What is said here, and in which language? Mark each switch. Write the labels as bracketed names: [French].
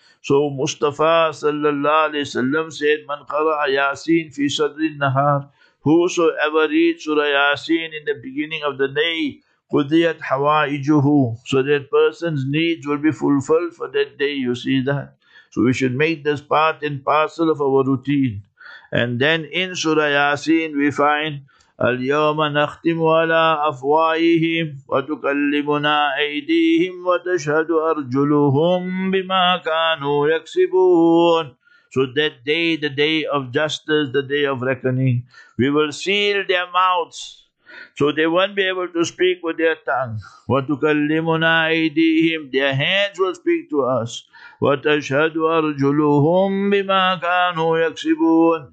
[English] So Mustafa sallallahu alayhi wa sallam said, [Arabic] Man qara'a Yasin fi sadri al-nahar. [English] Whosoever reads Surah Yasin in the beginning of the day, [Arabic] قُدِيَتْ حَوَائِجُهُ. [English] So that person's needs will be fulfilled for that day, you see that. So we should make this part and parcel of our routine. And then in Surah Yasin we find, [Arabic] الْيَوْمَ نَخْتِمُ عَلَىٰ أَفْوَائِهِمْ وَتُكَلِّمُنَا أَيْدِيهِمْ وَتَشْهَدُ أَرْجُلُهُمْ بِمَا كَانُوا يَكْسِبُونَ. [English] So that day, the day of justice, the day of reckoning, we will seal their mouths. So they won't be able to speak with their tongue. [Arabic] وَتُكَلِّمُنَا أَيْدِيهِمْ. [English] Their hands will speak to us. [Arabic] وَتَشْهَدُ أَرْجُلُهُمْ بِمَا كَانُوا يَكْسِبُونَ.